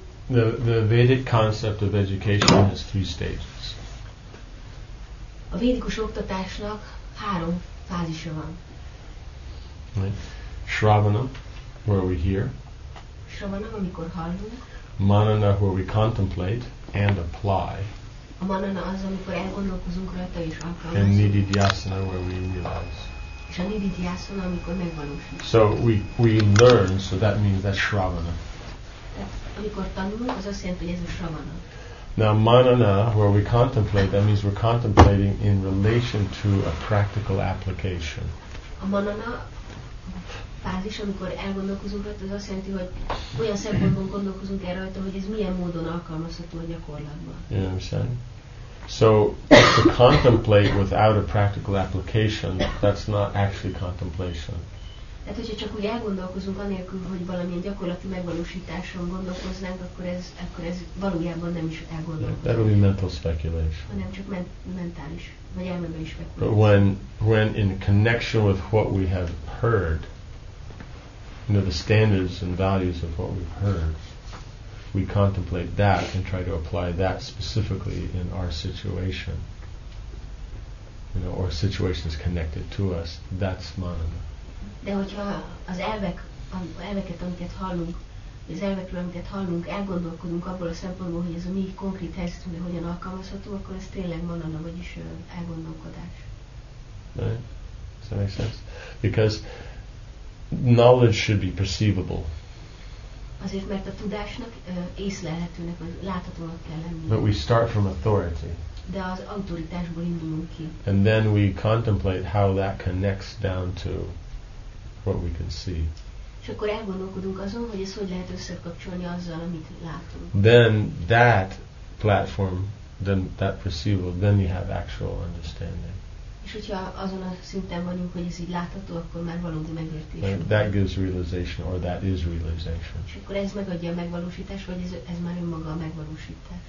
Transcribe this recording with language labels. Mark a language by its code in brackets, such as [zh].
[en] The Vedic concept of education has three stages. [hu] A védikus oktatásnak három fázisa van. [en] Right. Shravana, where we hear. [hu] Shravana, amikor hallunk. [en] Manana, where we contemplate and apply. [hu] A manana az, amikor elgondolkozunk rajta és alkalmazunk. [en] And nididhyasana, where we realize. [hu] És a nididhyasana, amikor megvalósítjuk. [en] So we learn, so that means that's shravana. [hu] Amikor tanulunk, az azt jelenti, hogy ez a shravana. [en] Now manana, where we contemplate, that means we're contemplating in relation to a practical application. [hu] A manana fázis, amikor elgondolkozunk rajta, az azt jelenti, hogy olyan szempontból gondolkozunk el rajta, hogy ez milyen módon alkalmazható a gyakorlatban. [en] You know what I'm saying? So to contemplate without a practical application, that's not actually contemplation. [hu] Tehát, hogyha csak úgy elgondolkozunk, anélkül, hogy valamilyen gyakorlati megvalósításon gondolkoznánk, akkor ez valójában nem is elgondolkozunk. [en] That would be mental speculation. [hu] Hanem csak mentális, vagy elmebeli spekuláció. [en] But when in connection with what we have heard, you know, the standards and values of what we've heard, we contemplate that and try to apply that specifically in our situation, you know, or situations connected to us, that's manana. [hu] De hogyha az elveket, amiket hallunk, az elvekről, amiket hallunk, elgondolkodunk abból a szempontból, hogy ez a mi konkrét helyzetünkre hogyan alkalmazható, akkor ez tényleg manana, vagyis elgondolkodás. [en] Right? Does that make sense? Because knowledge should be perceivable. [hu] Azért, mert a tudásnak észlelhetőnek, vagy láthatónak kell lenni. [en] But we start from authority. [hu] De az autoritásból indulunk ki. [en] And then we contemplate how that connects down to what we can see. [hu] És akkor elgondolkodunk azon, hogy ez hogy lehet összekapcsolni azzal, amit látunk. [en] Then that platform, then that perceivable, then you have actual understanding. [hu] És hogyha azon a szinten vagyunk, hogy ez így látható, akkor már valódi megértés. [en] That gives realization, or that is realization. És akkor ez megadja a megvalósítást, vagy ez már önmaga a megvalósítás.